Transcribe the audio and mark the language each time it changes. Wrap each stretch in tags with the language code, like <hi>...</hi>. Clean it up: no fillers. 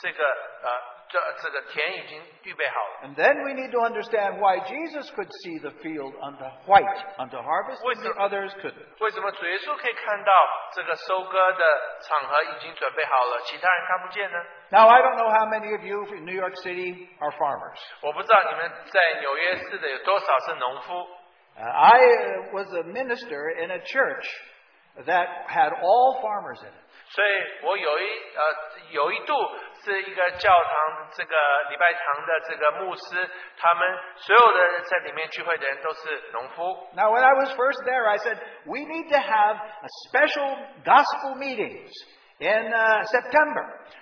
<zh>没有每一个人都看得清楚这个田已经预备好了。</zh> <en>And then we need to understand why Jesus could see the field under white under harvest and the others couldn't.</en> <zh>为什么主耶稣可以看到这个收割的场合已经准备好了，其他人看不见呢？</zh> <en>Now I don't know how many of you in New York City are farmers.</en> <zh>我不知道你们在纽约市的有多少是农夫。</zh> <en>I was a minister in a church that had all farmers in it.</en> <zh>所以我有一度是一个教堂这个礼拜堂的这个牧师，他们所有的在里面聚会的人都是农夫。</zh> <en>Now when I was first there, I said we need to have a special gospel meetings in September.</en>